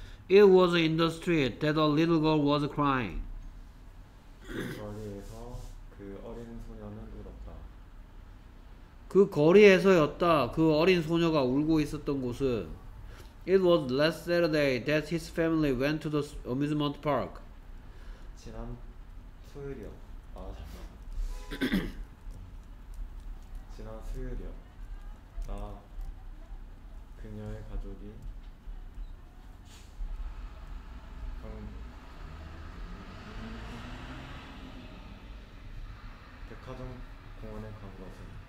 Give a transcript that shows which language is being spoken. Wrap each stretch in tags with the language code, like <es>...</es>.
<en>It was in the street that a little girl was crying.</en> <ko>그 거리에서 그 어린 소녀는 울었다. 그 거리에서였다. 그 어린 소녀가 울고 있었던 곳은.</ko> <en>It was last Saturday that his family went to the amusement park.</en> <ko>지난 토요일이었다. 아 잠깐만. 지난 수요일이요. 나 그녀의 가족이 백화점 공원에 간 것은</ko>